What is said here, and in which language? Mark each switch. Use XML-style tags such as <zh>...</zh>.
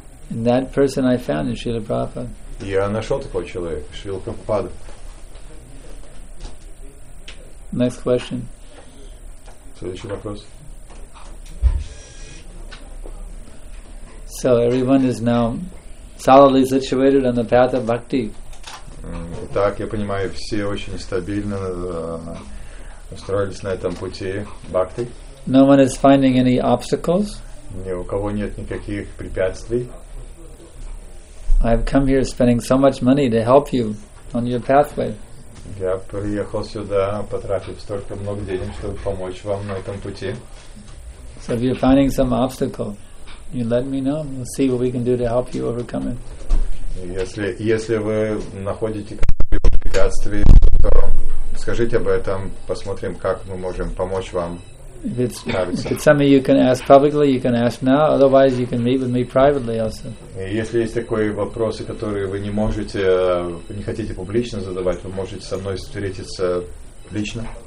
<en>And that person I found in Srila Prabhupada.</en> <ru>Я нашел такого человека, Шрила Прабхупада.</ru> <en>Next question.</en> <ru>Следующий вопрос.</ru> <en>So everyone is now solidly situated on the path of bhakti.</en> <ru>Так, я понимаю, все очень стабильно устроились на этом пути бхакти.</ru> <en>No one is finding any obstacles.</en> <ru>Ни у кого нет никаких препятствий.</ru> <en>I've come here spending so much money to help you on your pathway.</en> <ru>Я приехал сюда, потратив столько много денег, чтобы помочь вам на этом пути.</ru> <en>So if you're finding some obstacle, you let me know. We'll see what we can do to help you overcome it.</en> <ru>Если вы находите какие-то препятствия, то скажите об этом, посмотрим, как мы можем помочь вам.</ru> <en>If it's something you can ask publicly, you can ask now. Otherwise, you can meet with me privately also.</en> <ru>Если есть такие вопросы, которые вы не можете, не хотите публично задавать, вы можете со мной встретиться лично.</ru>